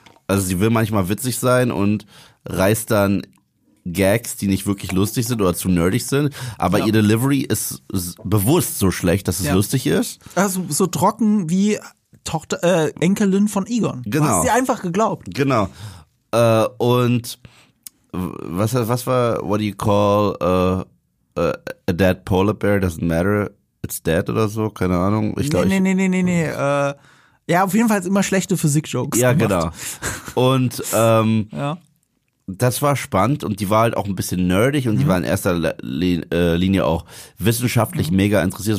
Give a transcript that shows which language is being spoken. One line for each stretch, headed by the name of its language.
German: Also sie will manchmal witzig sein und reißt dann Gags, die nicht wirklich lustig sind oder zu nerdig sind. Aber ihr Delivery ist bewusst so schlecht, dass es lustig ist. Also so trocken wie Tochter, Enkelin von Egon. Genau. Hast sie einfach geglaubt. Genau. Und was war,
English: what do you call a dead polar bear? Doesn't matter. It's dead
German: oder so, keine Ahnung. Nee. Ja, auf jeden Fall immer schlechte Physik-Jokes. Ja, genau. Und das war spannend und die war halt auch ein bisschen nerdig und die war in erster Linie auch wissenschaftlich mega interessiert.